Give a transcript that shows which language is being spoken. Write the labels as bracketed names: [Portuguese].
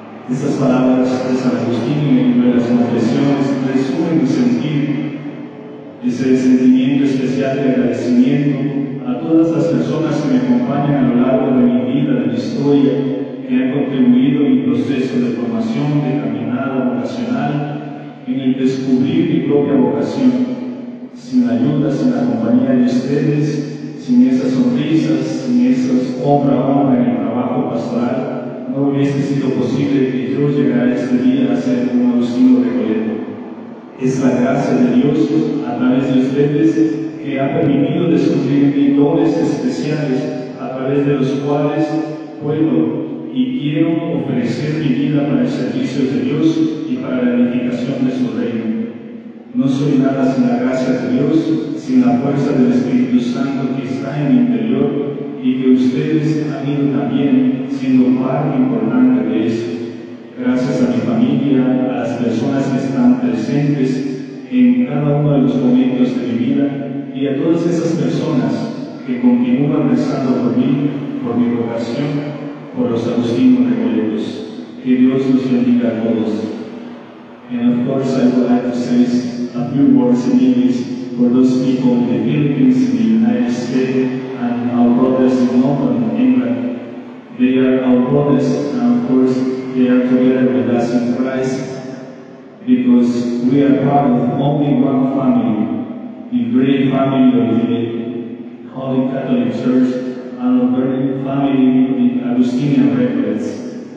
[Portuguese] Estas palavras de San Agustín em Nuevas Confesiones resumem o sentir, esse sentimento especial de agradecimento a todas as pessoas que me acompanham ao longo da minha vida, da minha história, que han contribuído em processo de formação, de caminhada vocacional, em descobrir minha própria vocação. Sem a ajuda, sem a companhia de vocês, sem essas sonrisas, sem essas obras honra no trabalho pastoral, não hubiese sido possível que eu chegasse este dia a ser um Agustino Recoleto. É a graça de Deus, a través de vocês, que ha permitido descobrir [Spanish] dones especiales, a través de los cuales puedo y quiero ofrecer mi vida para el servicio de Dios y para la edificación de su reino. No soy nada sin la gracia de Dios, sin la fuerza del Espíritu Santo que está en mi interior y que ustedes han ido también siendo parte importante de eso. Gracias a mi familia, a las personas que están presentes en cada uno de los momentos de mi vida, y a todas esas personas que continúan rezando por mí, por mi vocación, por los Agustinos Recoletos. Que Dios los bendiga a todos. [English] And of course I would like to say a few words in English for those people in the Philippines, in the United States, and our brothers in London, in England. They are our brothers, and of course they are together with us in Christ, because we are part of only one family, the great family of the Holy Catholic Church and the great family of the Agustinian Recollects.